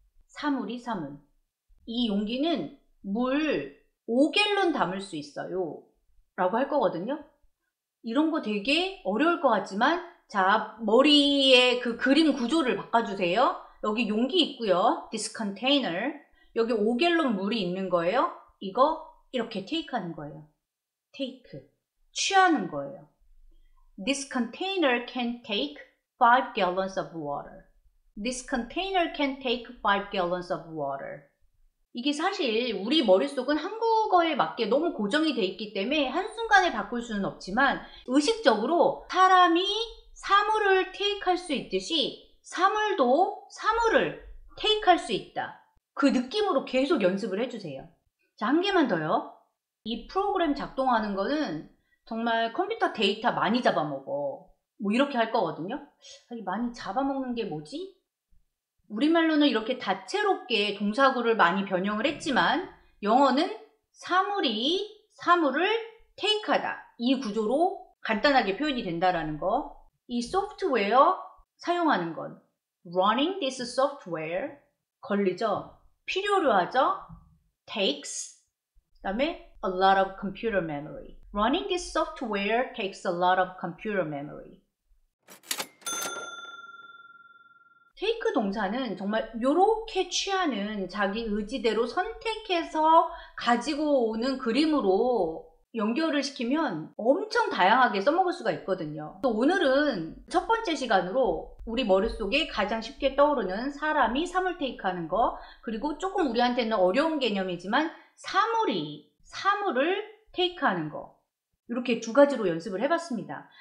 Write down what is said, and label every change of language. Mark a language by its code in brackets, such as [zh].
[ko] 사물이 사물. 이 용기는 물 5갤런 담을 수 있어요 라고 할 거거든요. 이런 거 되게 어려울 것 같지만, 자, 머리에 그 그림 구조를 바꿔주세요. 여기 용기 있고요. [en] This container. [ko] 여기 5갤런 물이 있는 거예요. 이거 이렇게 take 하는 거예요. take. 취하는 거예요. [en] This container can take 5 gallons of water. This container can take 5 gallons of water. [ko] 이게 사실 우리 머릿속은 한국어에 맞게 너무 고정이 돼 있기 때문에 한순간에 바꿀 수는 없지만, 의식적으로 사람이 사물을 테이크할 수 있듯이 사물도 사물을 테이크할 수 있다. 그 느낌으로 계속 연습을 해주세요. 자, 한 개만 더요. 이 프로그램 작동하는 거는 정말 컴퓨터 데이터 많이 잡아먹어. 뭐 이렇게 할 거거든요. 많이 잡아먹는 게 뭐지? 우리말로는 이렇게 다채롭게 동사구를 많이 변형을 했지만, 영어는 사물이 사물을 테이크하다. 이 구조로 간단하게 표현이 된다라는 거. 이 소프트웨어 사용하는 건 [en] running this software [ko] 걸리죠? 필요로 하죠? [en] takes 그다음에 a lot of computer memory. running this software takes a lot of computer memory. [ko] take 동사는 정말 요렇게 취하는 자기 의지대로 선택해서 가지고 오는 그림으로 연결을 시키면 엄청 다양하게 써먹을 수가 있거든요. 또 오늘은 첫 번째 시간으로 우리 머릿속에 가장 쉽게 떠오르는 사람이 사물 테이크하는 거, 그리고 조금 우리한테는 어려운 개념이지만 사물이 사물을 테이크하는 거, 이렇게 두 가지로 연습을 해봤습니다.